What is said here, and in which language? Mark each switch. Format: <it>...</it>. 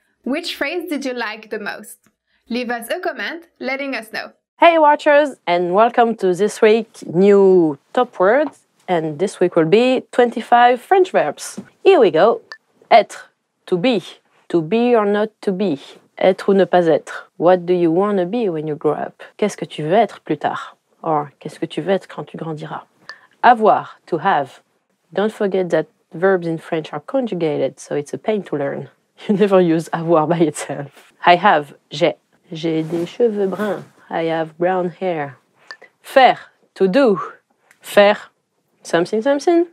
<en>Which phrase did you like the most? Leave us a comment letting us know. Hey watchers, and welcome to this week's new top words. And this week will be 25 French verbs. Here we go. Être, to be or not to be,</en> <fr>être ou ne pas être.</fr> <en>What do you want to be when you grow up?</en> <fr>Qu'est-ce que tu veux être plus tard? Or, qu'est-ce que tu veux être quand tu grandiras?</fr> <en>Avoir, to have. Don't forget that verbs in French are conjugated, so it's a pain to learn. You never use avoir by itself. I have, j'ai.</en> <fr>J'ai des cheveux bruns.</fr> <en>I have brown hair. Faire, to do. Faire something, something.</en>